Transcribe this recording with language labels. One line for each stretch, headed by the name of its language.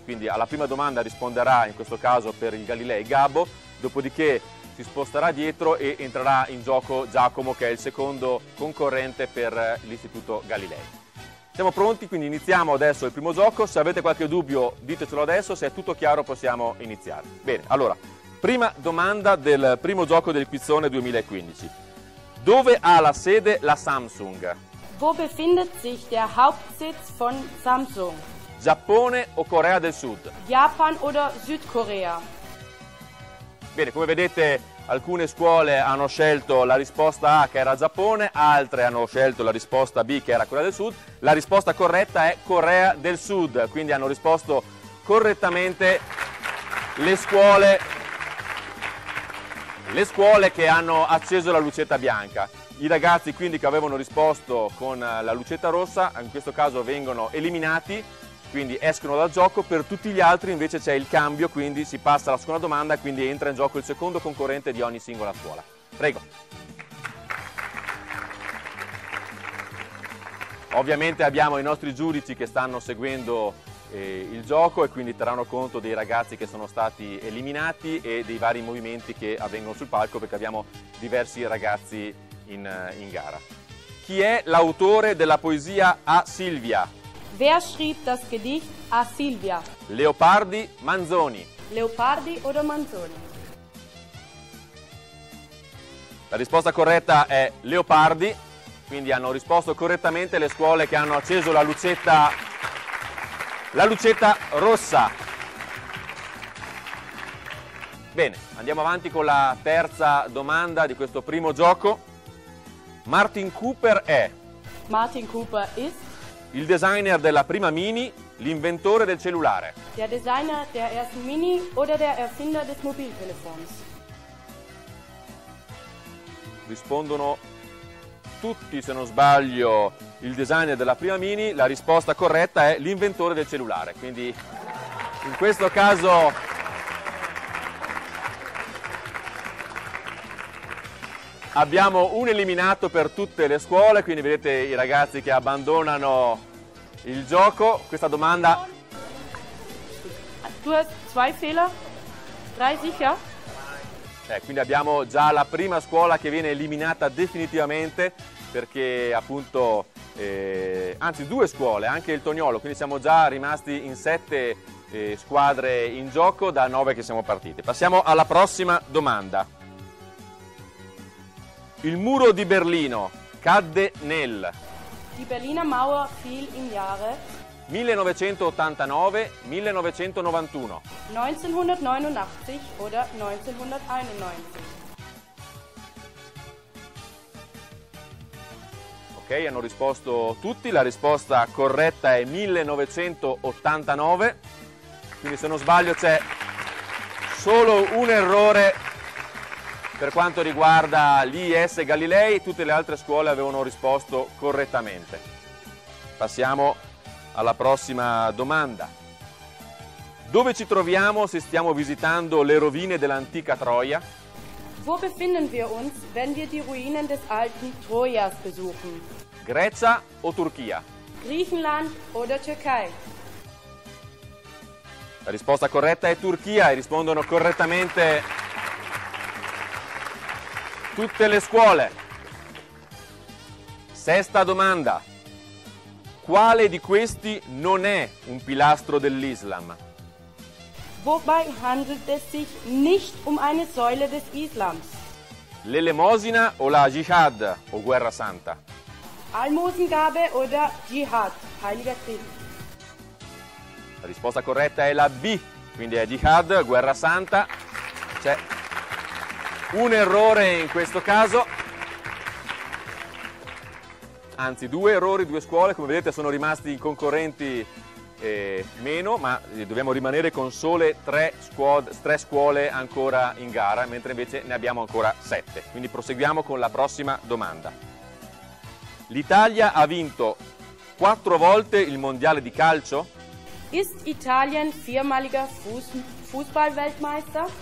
Italian: Quindi alla prima domanda risponderà in questo caso per il Galilei Gabbo, dopodiché si sposterà dietro e entrerà in gioco Giacomo, che è il secondo concorrente per l'Istituto Galilei. Siamo pronti, quindi iniziamo adesso il primo gioco. Se avete qualche dubbio ditecelo adesso, se è tutto chiaro possiamo iniziare. Bene, allora, prima domanda del primo gioco del Quizzone 2015. Dove ha la sede la Samsung?
German: Wo befindet sich der Hauptsitz von Samsung?
Italian: Giappone o Corea del Sud?
German: Japan oder Südkorea?
Italian: Bene, come vedete alcune scuole hanno scelto la risposta A, che era Giappone, altre hanno scelto la risposta B, che era Corea del Sud. La risposta corretta è Corea del Sud, quindi hanno risposto correttamente le scuole che hanno acceso la lucetta bianca. I ragazzi quindi che avevano risposto con la lucetta rossa in questo caso vengono eliminati, quindi escono dal gioco. Per tutti gli altri invece c'è il cambio, quindi si passa alla seconda domanda, quindi entra in gioco il secondo concorrente di ogni singola scuola. Prego. Ovviamente abbiamo i nostri giudici che stanno seguendo il gioco e quindi terranno conto dei ragazzi che sono stati eliminati e dei vari movimenti che avvengono sul palco, perché abbiamo diversi ragazzi in gara. Chi è l'autore della poesia A Silvia?
German: Wer schrieb das Gedicht A Silvia?
Italian: Leopardi, Manzoni. leopardi o romanzoni? La risposta corretta è leopardi, quindi hanno risposto correttamente le scuole che hanno acceso la lucetta rossa. Bene, andiamo avanti con la terza domanda di questo primo gioco. Martin Cooper è?
English: Martin Cooper is?
Italian: Il designer della prima Mini, l'inventore del cellulare.
German: Der Designer der ersten Mini oder der Erfinder des Mobiltelefons?
Italian: Rispondono tutti, se non sbaglio, il designer della prima Mini. La risposta corretta è l'inventore del cellulare. Quindi in questo caso abbiamo un eliminato per tutte le scuole, quindi vedete i ragazzi che abbandonano il gioco. Questa domanda... Tu hai due
German: fehler? Drei sicher?
Italian: Quindi abbiamo già la prima scuola che viene eliminata definitivamente, perché appunto... anzi, due scuole, anche il Toniolo, quindi siamo già rimasti in sette squadre in gioco da nove che siamo partite. Passiamo alla prossima domanda. Il muro di Berlino cadde nel...
German: Die Berliner Mauer fiel im Jahre...
Italian: 1989-1991.
German: 1989 oder 1991.
Italian: Ok, hanno risposto tutti, la risposta corretta è 1989, quindi se non sbaglio c'è solo un errore per quanto riguarda l'IS Galilei, tutte le altre scuole avevano risposto correttamente. Passiamo alla prossima domanda. Dove ci troviamo se stiamo visitando le rovine dell'antica Troia?
German: Wo befinden wir uns, wenn wir die Ruinen des alten Trojas besuchen?
Italian: Grecia o Turchia?
German: Griechenland oder Türkei?
Italian: La risposta corretta è Turchia e rispondono correttamente tutte le scuole. Sesta domanda. Quale di questi non è un pilastro dell'Islam?
German: Wobei handelt es sich nicht um eine Säule des Islams?
Italian: L'elemosina o la Jihad o guerra santa?
German: Almosengabe oder Jihad, heiliger Krieg.
Italian: La risposta corretta è la B, quindi è Jihad, guerra santa. C'è un errore in questo caso. Anzi, due errori, due scuole, come vedete sono rimasti in concorrenti meno, ma dobbiamo rimanere con sole tre scuole ancora in gara, mentre invece ne abbiamo ancora sette. Quindi proseguiamo con la prossima domanda. L'Italia ha vinto quattro volte il mondiale di calcio?
German: Ist Italien viermaliger Fußballweltmeister?